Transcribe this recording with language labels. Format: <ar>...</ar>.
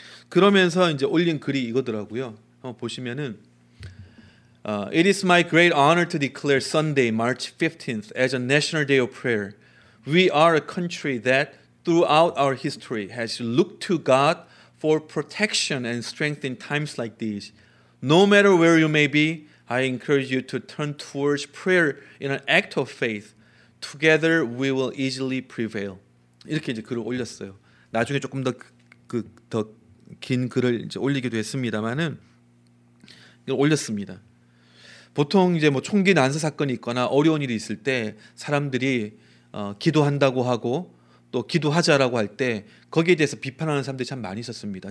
<ko>그러면서 이제 올린 글이 이거더라고요. 한번 보시면은</ko> <en>It is my great honor to declare Sunday, March 15th as a National Day of Prayer. We are a country that throughout our history has looked to God for protection and strength in times like these. No matter where you may be, I encourage you to turn towards prayer in an act of faith. Together, we will easily prevail.</en> <ko>이렇게 이제 글을 올렸어요. 나중에 조금 더 더 긴 글을 이제 올리기도 했습니다만은 올렸습니다. 보통 이제 뭐 총기 난사 사건이 있거나 어려운 일이 있을 때 사람들이 기도한다고 하고 또 기도하자라고 할 때 거기에 대해서 비판하는 사람들이 참 많이 있었습니다.</ko>